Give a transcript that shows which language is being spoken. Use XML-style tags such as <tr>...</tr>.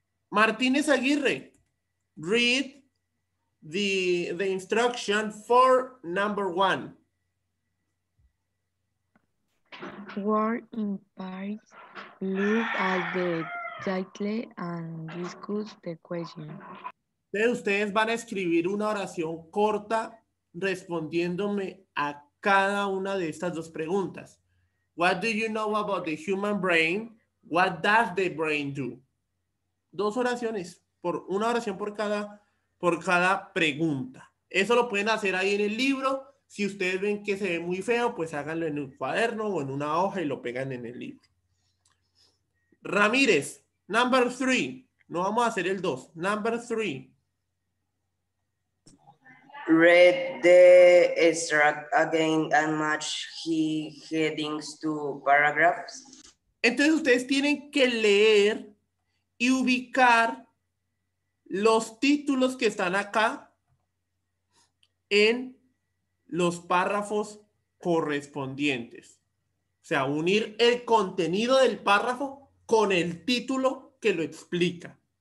<en>Martínez Aguirre, read the instruction for number one. Word in parts, look at the title and discuss the question.</en> <es>Ustedes van a escribir una oración corta respondiéndome a cada una de estas dos preguntas.</es> <en>What do you know about the human brain? What does the brain do?</en> <es>Dos oraciones, por una oración por cada pregunta. Eso lo pueden hacer ahí en el libro. Si ustedes ven que se ve muy feo, pues háganlo en un cuaderno o en una hoja y lo pegan en el libro. Ramírez,</es> <en>number three.</en> <es>No vamos a hacer el dos.</es> <en>Number three. Read the extract again and match headings to paragraphs.</en> <es>Entonces ustedes tienen que leer y ubicar los títulos que están acá en los párrafos correspondientes. O sea, unir el contenido del párrafo con el título que lo explica.</es>